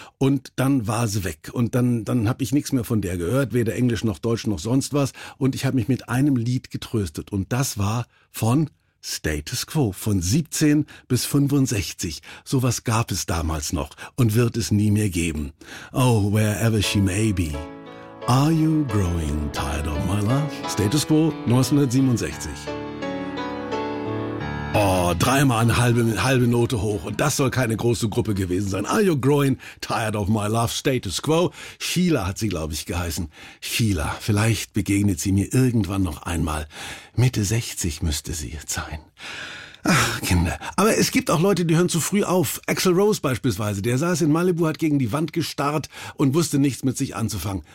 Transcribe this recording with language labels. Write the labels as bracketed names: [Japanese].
[German] Und dann war sie weg. Und dann habe ich nichts mehr von der gehört, weder Englisch noch Deutsch noch sonst was. Und ich habe mich mit einem Lied getröstet. Und das war von Status Quo, von 17 bis 65. Sowas gab es damals noch und wird es nie mehr geben. [English] Oh, wherever she may be, are you growing tired of my love? Status Quo, 1967. [German] Oh, dreimal eine halbe Note hoch. Und das soll keine große Gruppe gewesen sein. [English] Are you growing tired of my love status quo? [German] Sheila hat sie, glaube ich, geheißen. Sheila, vielleicht begegnet sie mir irgendwann noch einmal. Mitte 60 müsste sie jetzt sein. Ach, Kinder. Aber es gibt auch Leute, die hören zu früh auf. Axl Rose beispielsweise, der saß in Malibu, hat gegen die Wand gestarrt und wusste nichts mit sich anzufangen.